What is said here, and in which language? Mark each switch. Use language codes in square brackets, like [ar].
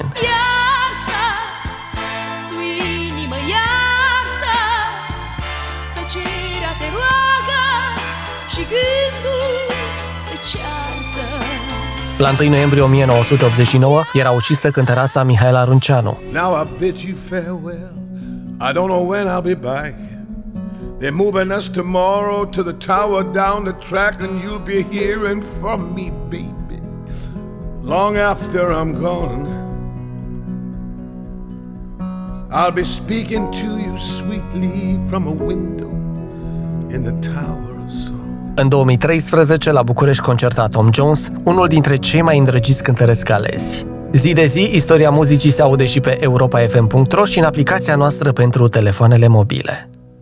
[ro] Iartă, tu inimă, iartă, tăcerea te roagă și gândul te ceartă. La 1 noiembrie 1989 era ucisă cântăreața Mihaela Runceanu. [en] Now I bid you farewell, I don't know when I'll be back. They're moving us tomorrow to the tower down the track and you'll be hearing from me, baby, long after I'm gone. I'll be speaking to you sweetly from a window in the tower of song. [ro] În 2013, la București concerta Tom Jones, unul dintre cei mai îndrăgiți cântăreți galezi. Zi de zi, istoria muzicii se aude și pe europafm.ro și în aplicația noastră pentru telefoanele mobile.